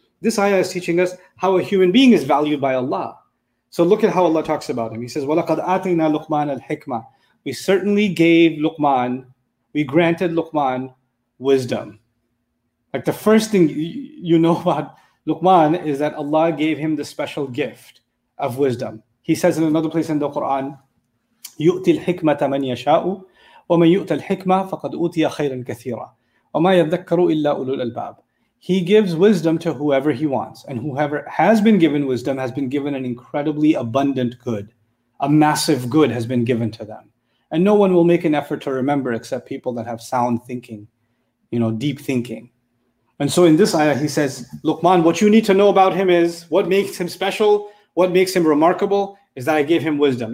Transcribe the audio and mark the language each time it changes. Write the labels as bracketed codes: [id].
[en] This ayah is teaching us how a human being is valued by Allah. So look at how Allah talks about him. He says, [ar] وَلَقَدْ أَعْتِنَا لُقْمَانَ الْحِكْمَةِ. [en] We certainly gave Luqman, we granted Luqman wisdom. Like the first thing you know about Luqman is that Allah gave him the special gift of wisdom. He says in another place in the Quran, [ar] يُؤْتِ الْحِكْمَةَ مَنْ يَشَاءُ وَمَنْ يُؤْتَ الْحِكْمَةَ فَقَدْ أُوْتِيَ خَيْرًا كَثِيرًا وَمَا يَذَّكَّرُ إِلَّا أُولُو الْأَلْبَابِ. [en] He gives wisdom to whoever he wants. And whoever has been given wisdom has been given an incredibly abundant good. A massive good has been given to them. And no one will make an effort to remember except people that have sound thinking, you know, deep thinking. And so in this ayah, he says, Luqman, what you need to know about him is what makes him special, what makes him remarkable is that I gave him wisdom.